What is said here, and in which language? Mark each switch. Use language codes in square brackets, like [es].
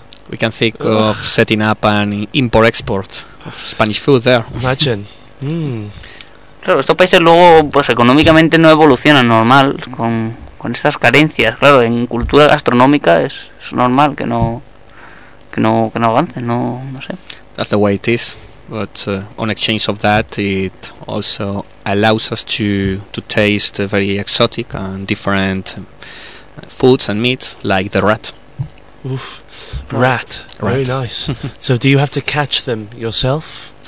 [en] We can think of setting up an import-export of Spanish food there. Imagine. [es] Claro, estos países luego, pues económicamente no evolucionan normal, con estas carencias. Claro, en cultura gastronómica es normal que no avancen, no sé. [en] That's the way it is. But on exchange of that, it also allows us to taste very exotic and different foods and meats, like the rat. Oof, rat. Very nice. So do you have to catch them yourself?